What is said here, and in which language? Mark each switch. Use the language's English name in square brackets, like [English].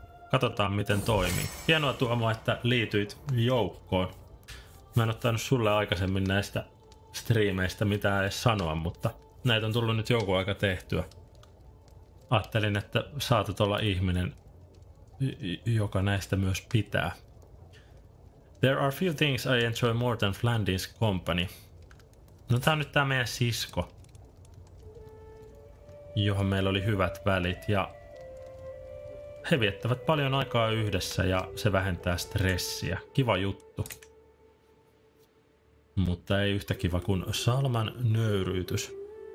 [Finnish] Katsotaan, miten toimii. Hienoa, Tuomo, että liityit joukkoon. Mä en ottanut sulle aikaisemmin näistä striimeistä mitään edes sanoa, mutta näitä on tullut nyt joku aika tehtyä. Ajattelin, että saatat olla ihminen, joka näistä myös pitää. [English] There are few things I enjoy more than Flandin's company. [Finnish] No, tää on nyt tää meidän sisko, johon meillä oli hyvät välit, ja he viettävät paljon aikaa yhdessä, ja se vähentää stressiä. Kiva juttu. Mutta ei yhtä kiva kuin Salman nöyryytys.